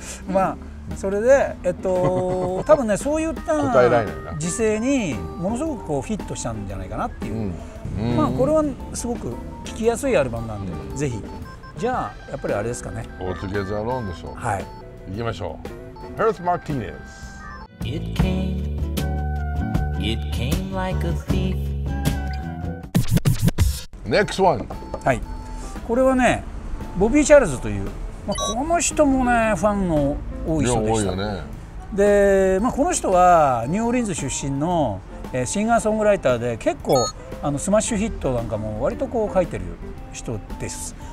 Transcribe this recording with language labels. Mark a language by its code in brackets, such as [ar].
[ja] まあそれで多分ね、そういった時勢にものすごくこうフィットしたんじゃないかなっていう、うん、まあこれはすごく聴きやすいアルバムなんで、うん、ぜひ。じゃあやっぱりあれですかね、オーツゲーズアローンでしょう。はい、行きましょう。ヘルス・マーティネス。 [en] It came, it came like a thief. Next one。 [ja] はい、これはねボビー・チャールズという、まあ、この人もねファンの多い人でした。多いよね。で、まあ、この人はニューオーリンズ出身のシンガーソングライターで、結構あのスマッシュヒットなんかも割とこう書いてる人です。